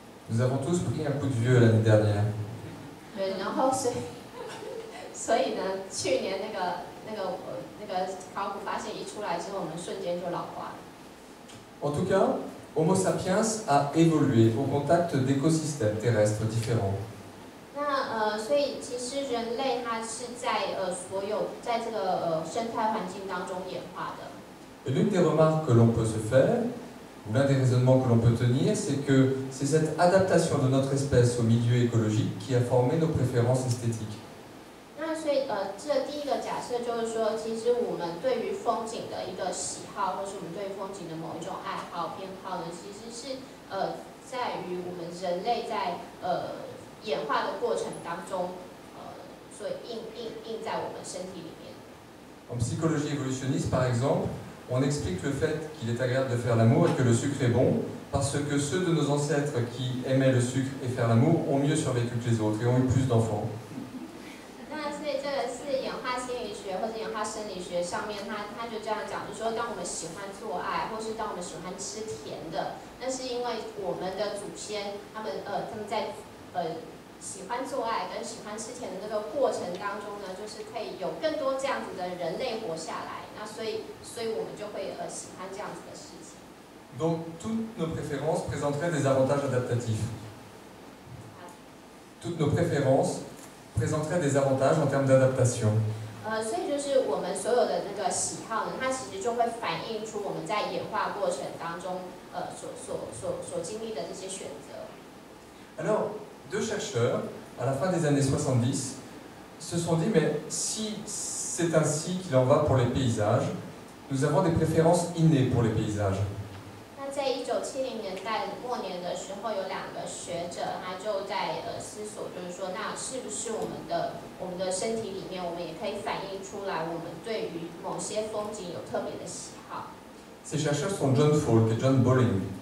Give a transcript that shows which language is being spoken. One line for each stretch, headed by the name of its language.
French: Nous avons tous pris un coup de vieux l'année dernière.
Chinese: 对，然后所以呢，去年那个考古发现一出来之后，我们瞬间就老化了。
French: En tout cas, Homo sapiens a évolué au contact d'écosystèmes terrestres différents.
Chinese: 那所以其实人类它是在所有在这个生态环境当中演化的。
French: Et l'une des remarques que l'on peut se faire. L'un des raisonnements que l'on peut tenir, c'est que c'est cette adaptation de notre espèce au milieu écologique qui a formé nos préférences esthétiques.
Chinese: 那所以这第一个假设就是说，其实我们对于风景的一个喜好，或是我们对风景的某一种爱好偏好呢，其实是在于我们人类在演化的过程当中，所以印在我们身体里面。
French: En psychologie évolutionniste, par exemple. On explique le fait qu'il est agréable de faire l'amour et que le sucre est bon parce que ceux de nos ancêtres qui aimaient le sucre et faire l'amour ont mieux survécu que les autres et ont eu plus d'enfants.
Chinese: 那所以这个是演化心理学或者演化生理学上面，他就这样讲，就说当我们喜欢做爱，或是当我们喜欢吃甜的，那是因为我们的祖先他们在喜欢做爱跟喜欢吃甜的这个过程当中呢，就是可以有更多这样子的人类活下来。所以我们就会喜欢这样子的事情。
French: Donc toutes nos préférences présenteraient des avantages adaptatifs. Toutes nos préférences présenteraient des avantages en termes d'adaptation.
Chinese: 所以就是我们所有的那个喜好呢，它其实就会反映出我们在演化过程当中所经历的这些选择。
French: Alors, deux chercheurs à la fin des années 70se sont dit mais si c'est ainsi qu'il en va pour les paysages, nous avons des préférences innées pour les paysages.
Chinese: 那在1970年代末年的时候，有两个学者，他就在思索，就是说，那是不是我们的身体里面，我们也可以反映出来，我们对于某些风景有特别的喜好。
French: Ces chercheurs sont John Falk et John Bolling.